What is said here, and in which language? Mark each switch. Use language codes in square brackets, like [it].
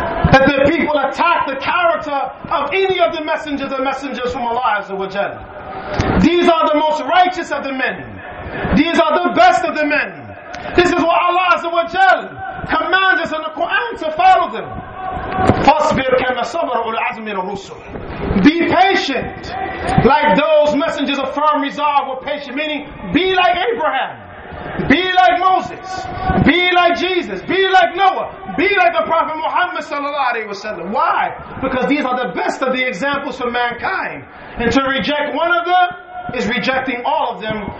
[en] That the people attack the character of any of the messengers and messengers from Allah Azza wa Jal. These are the most righteous of the men. These are the best of the men. This is what Allah Azza wa Jal commands us in the Quran to follow them. [ar] فَاصْبِرْ كَمَا صَبَرَ أُولُو الْعَزْمِ الرُّسُلِ. [en] Be patient like those messengers of firm resolve were patient. Meaning, be like Abraham. Be like Moses. Be like Jesus. Be like Noah. Be like the Prophet Muhammad sallallahu alaihi wasallam. Why? Because these are the best of the examples for mankind. And to reject one of them is rejecting all of them.